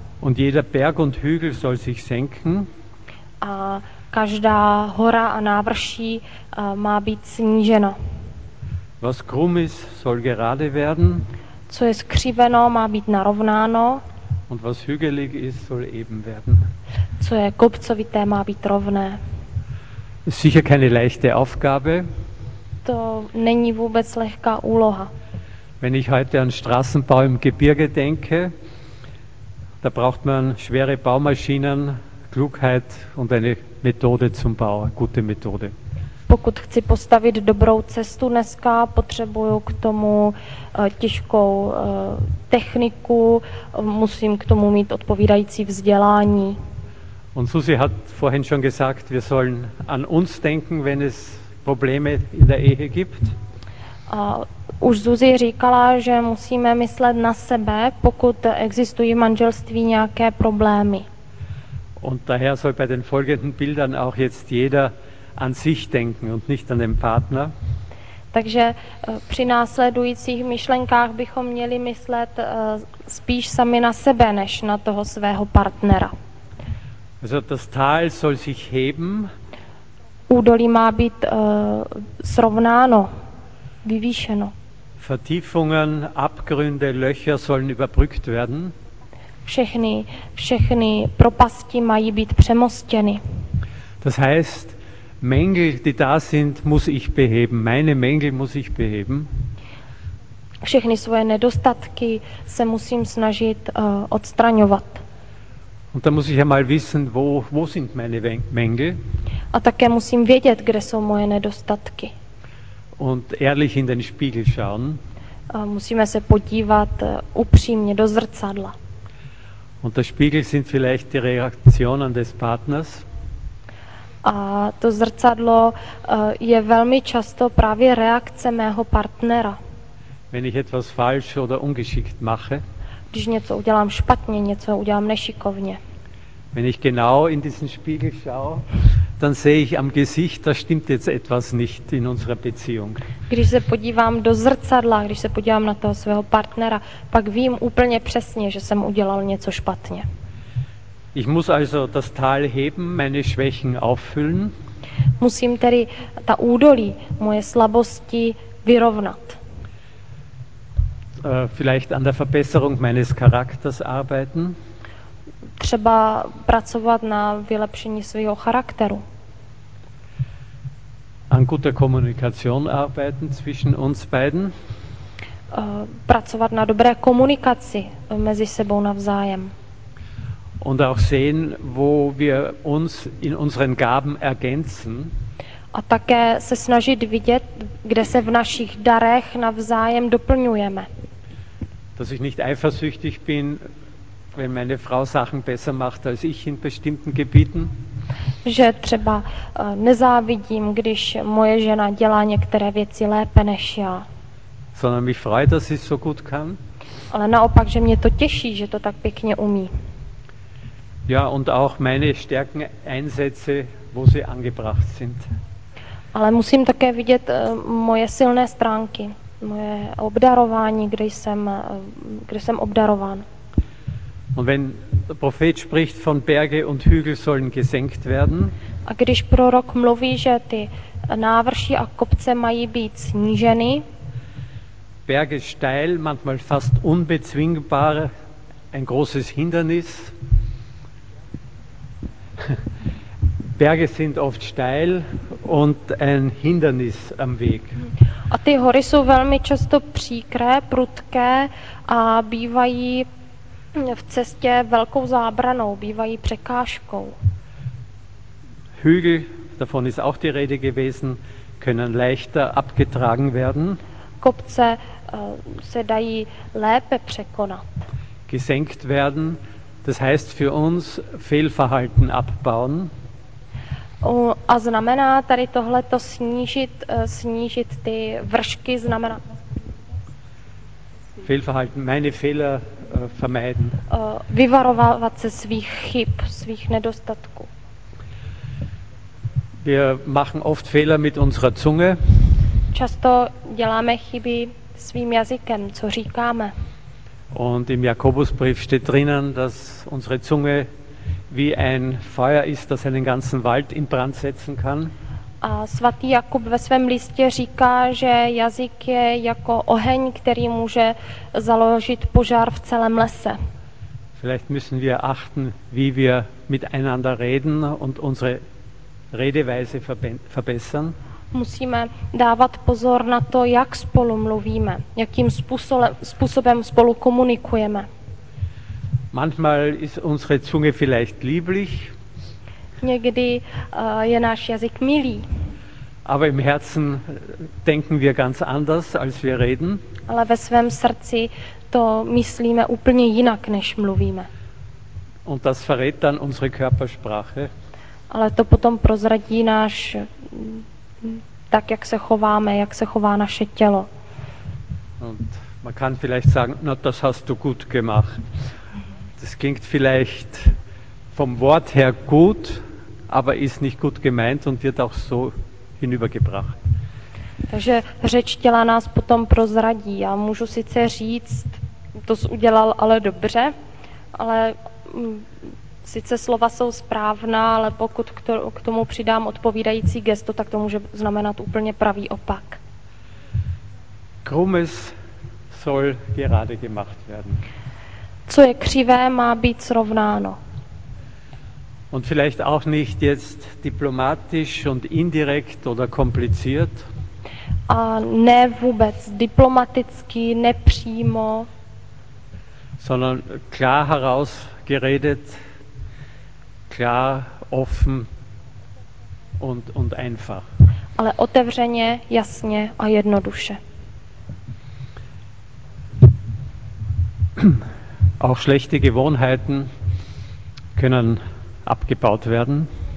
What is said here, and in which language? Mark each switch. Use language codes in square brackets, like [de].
[de] Und jeder Berg und Hügel soll sich senken. [cs] A každá hora a návrší má být sníženo. [de] Was krumm ist, soll gerade werden. [cs] Co je skřiveno, má být narovnáno. [de] Und was hügelig ist, soll eben werden. [cs] Co je kopcovité, má být rovné. [de] sicher keine leichte Aufgabe. [cs] To není vůbec lehká úloha. [de] Wenn ich heute an Straßenbau im Gebirge denke, da braucht man schwere Baumaschinen, Klugheit und eine Methode zum Bau, gute Methode. [cs] Pokud chci postavit dobrou cestu dneska, potřebuju k tomu těžkou techniku, musím k tomu mít odpovídající vzdělání. [de] Und Susi hat vorhin schon gesagt, wir sollen an uns denken, wenn es Probleme in der Ehe gibt. [cs] A už Zuzi říkala, že musíme myslet na sebe, pokud existují v manželství nějaké problémy. [de] Und daher soll bei den folgenden Bildern auch jetzt jeder an sich denken und nicht an den Partner. [cs] Takže při následujících myšlenkách bychom měli myslet spíš sami na sebe, než na toho svého partnera. [de] Also das Tal soll sich heben. [cs] Údolí má být srovnáno, vyvýšeno. [de] Vertiefungen, Abgründe, Löcher sollen überbrückt werden. [cs] Všechny propasti mají být přemostěny. [de] Das heißt, Mängel, die da sind, muss ich beheben. Meine Mängel muss ich beheben. [cs] Všechny svoje nedostatky se musím snažit odstraňovat. [de] Und da muss ich einmal wissen, wo sind meine Mängel. [cs] A také musím vědět, kde jsou moje nedostatky. [de] Und ehrlich in den Spiegel schauen. [cs] A musíme se podívat upřímně do zrcadla. [de] Und der Spiegel sind vielleicht die Reaktionen des Partners. [cs] A to zrcadlo je velmi často právě reakce mého partnera. [de] Wenn ich etwas falsch oder ungeschickt mache. [cs] Když něco udělám špatně, něco udělám nešikovně. [de] Wenn ich genau in diesen Spiegel schaue, dann sehe ich am Gesicht, da stimmt jetzt etwas nicht in unserer Beziehung. [cs] Když se podívám do zrcadla, když se podívám na toho svého partnera, pak vím úplně přesně, že jsem udělal něco špatně. [de] Ich muss also das Tal heben, meine Schwächen auffüllen. [cs] Musím tedy ta údolí, moje slabosti vyrovnat. [de] Vielleicht an der Verbesserung meines Charakters arbeiten. [cs] Třeba pracovat na vylepšení svého charakteru. [de] An guter Kommunikation arbeiten zwischen uns beiden. [cs] Pracovat na dobré komunikaci mezi sebou navzájem. [de] Und auch sehen, wo wir uns in unseren Gaben ergänzen. [cs] A také se snažit vidět, kde se v našich darech navzájem doplňujeme. [de] Dass ich nicht eifersüchtig bin, wenn meine Frau Sachen besser macht als ich in bestimmten Gebieten. [cs] Že třeba nezávidím, když moje žena dělá některé věci lépe než já. [de] Sondern mich freut, dass sie es so gut kann. [cs] Ale naopak, že mě to těší, že to tak pěkně umí. [de] Ja, und auch meine Stärken einsetze, wo sie angebracht sind. [cs] Ale musím také vidět moje silné stránky. Moje obdarování, kde jsem obdarován. [de] Und wenn der Prophet spricht von Berge und Hügel sollen gesenkt werden. [cs] A když prorok mluví, že ty návrší a kopce mají být sníženy. [de] Berge steil, manchmal fast unbezwingbar, ein großes Hindernis. Berge sind oft steil und ein Hindernis am Weg. [cs] A ty hory jsou velmi často příkré, prudké a bývají v cestě velkou zábranou, bývají překážkou. [de] Hügel, davon ist auch die Rede gewesen, können leichter abgetragen werden. [cs] Kopce se dají lépe překonat. [de] Gesenkt werden, das heißt für uns Fehlverhalten abbauen. [cs] A znamená tady tohleto snížit ty vršky, znamená [de] Fehlverhalten, meine Fehler vermeiden. [cs] Vyvarovat se svých chyb, svých nedostatků. [de] Wir machen oft Fehler mit unserer Zunge. [cs] Často děláme chyby svým jazykem, co říkáme. [de] Und im Jakobusbrief steht drinnen, dass unsere Zunge wie ein Feuer ist, das einen ganzen Wald in Brand setzen kann. [cs] A svatý Jakub ve svém listě říká, že jazyk je jako oheň, který může založit požár v celém lese. [de] Vielleicht müssen wir achten, wie wir miteinander reden und unsere Redeweise verbessern. [cs] Musíme dávat pozor na to, jak spolu mluvíme, jakým způsobem spolu komunikujeme. [de] Manchmal ist unsere Zunge vielleicht lieblich. [cs] Někdy je náš jazyk milý. [de] Aber im Herzen denken wir ganz anders, als wir reden. [cs] Ale ve svém srdci to myslíme úplně jinak, než mluvíme. [de] Und das verrät dann unsere Körpersprache. [cs] Ale to potom prozradí náš tak, jak se chováme, jak se chová naše tělo. [de] Und man kann vielleicht sagen, na, das hast du gut gemacht. Das klingt vielleicht vom Wort her gut, aber ist nicht gut gemeint und wird auch so hinübergebracht. [cs] Takže řeč těla nás potom prozradí. Já můžu sice říct, to jsi udělal ale dobře, ale sice slova jsou správná, ale pokud k tomu přidám odpovídající gesto, tak to může znamenat úplně pravý opak. [de] Krummes soll gerade gemacht werden. [cs] Co je křivé, má být srovnáno. [de] Und vielleicht auch nicht jetzt diplomatisch und indirekt oder kompliziert. [cs] A ne vůbec diplomaticky, nepřímo. [de] Sondern klar heraus geredet, klar, offen und einfach. [cs] Ale otevřeně, jasně a jednoduše. [de] Auch schlechte Gewohnheiten können abgebaut werden.